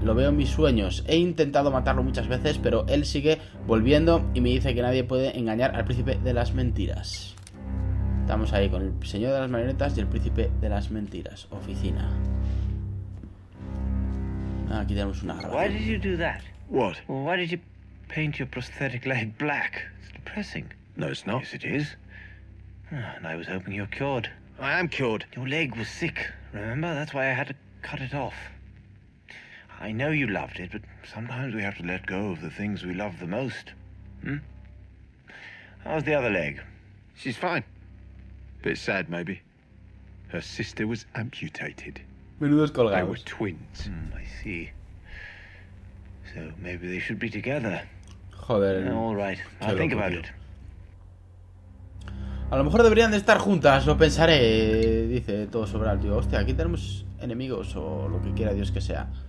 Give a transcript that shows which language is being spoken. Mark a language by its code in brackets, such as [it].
[es] Lo veo en mis sueños. He intentado matarlo muchas veces, pero él sigue volviendo y me dice que nadie puede engañar al príncipe de las mentiras. Estamos ahí con el Señor de las Marionetas y el Príncipe de las Mentiras. Oficina. Ah, aquí tenemos una grabación. [en] Why did you do that? What? Well, why did you paint your prosthetic leg black? It's depressing. No, it's not. Yes, it is. Oh, and I was hoping you're cured. I am cured. Your leg was sick, remember? That's why I had to cut it off. I know you loved it, but sometimes we have to let go of the things we love the most. Hmm? How's the other leg? She's fine. Bit sad, maybe. Her sister was amputated. [es] Menudos colgados. [en] They were twins. Mm, I see. So maybe they should be together. [es] Joder. [en] No, all right. I'll loco, think about tío. It. [es] A lo mejor deberían de estar juntas. Lo pensaré. Dice todo sobre el tío. Hostia, aquí tenemos enemigos o lo que quiera Dios que sea.